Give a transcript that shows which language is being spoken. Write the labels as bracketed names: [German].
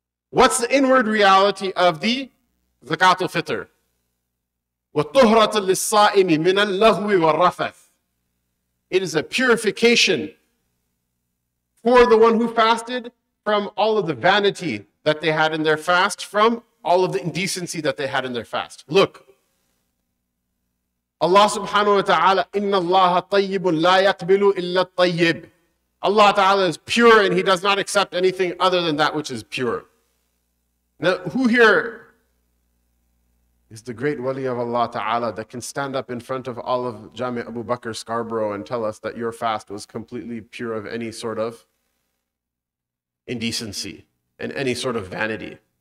[English] What's the inward reality of the zakat al-fitr? [Arabic] وَطُهْرَةَ لِلصَّائِمِ مِنَ اللَّهُوِ وَالرَّفَثِ. [English] It is a purification for the one who fasted, from all of the vanity that they had in their fast, from all of the indecency that they had in their fast. Look, Allah subhanahu wa ta'ala, [Arabic] إِنَّ اللَّهَ طَيِّبٌ لَا يَقْبِلُ إِلَّا الطَّيِّبُ. [English] Allah ta'ala is pure and He does not accept anything other than that which is pure. Now, who here is the great wali of Allah ta'ala that can stand up in front of all of Jame Abu Bakr Scarborough and tell us that your fast was completely pure of any sort of indecency and any sort of vanity?